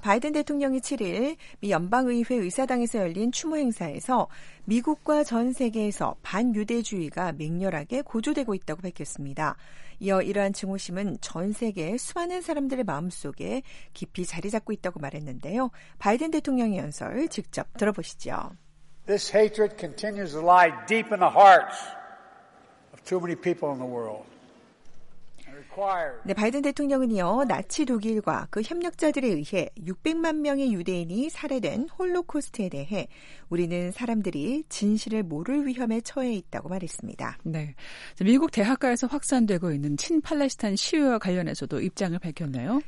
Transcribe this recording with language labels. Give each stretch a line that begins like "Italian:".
Korean: 바이든 대통령이 7일 미 연방의회 의사당에서 열린 추모 행사에서 미국과 전 세계에서 반유대주의가 맹렬하게 고조되고 있다고 밝혔습니다. 이어 이러한 증오심은 전 세계 수많은 사람들의 마음속에 깊이 자리 잡고 있다고 말했는데요. 바이든 대통령의 연설 직접 들어보시죠.
English: This hatred continues to lie deep in the hearts of too many people in the world.
Korean: 네, 바이든 대통령은요, 나치 독일과 그 협력자들에 의해 600만 명의 유대인이 살해된 홀로코스트에 대해 우리는 사람들이 진실을 모를 위험에 처해 있다고 말했습니다. 네, 미국 대학가에서 확산되고 있는 친팔레스타인 시위와 관련해서도 입장을 밝혔네요.